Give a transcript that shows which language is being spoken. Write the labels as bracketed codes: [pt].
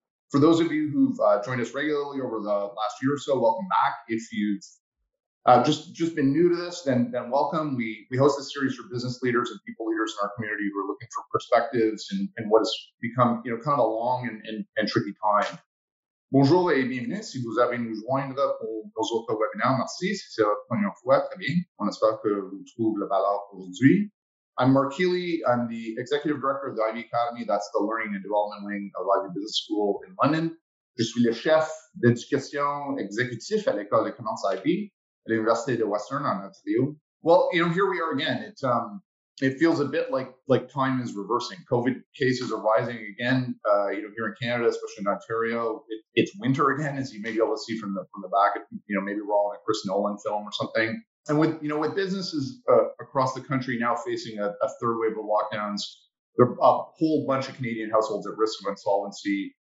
[en] For those of you who've joined us regularly over the last year or so, welcome back. If you've just been new to this, then welcome. We host this series for business leaders and people leaders in our community who are looking for perspectives in what has become, you know, kind of a long and tricky time. [fr] Bonjour et bienvenue. Si vous avez nous joindre pour nos autres webinaires, merci. Si c'est la première fois, très bien. On espère que vous trouvez la valeur aujourd'hui. [en] I'm Mark Healy. I'm the Executive Director of the Ivy Academy. That's the Learning and Development Wing of Ivy Business School in London. [fr] Je suis le chef d'éducation exécutif à l'École de commerce Ivy à l'Université de Western en Ontario. [en] Well, you know, here we are again. It feels a bit like time is reversing. COVID cases are rising again, you know, here in Canada, especially in Ontario. It's winter again, as you may be able to see from the back. You know, maybe we're all in a Chris Nolan film or something. And with, you know, with businesses across the country now facing a third wave of lockdowns, there are a whole bunch of Canadian households at risk of insolvency.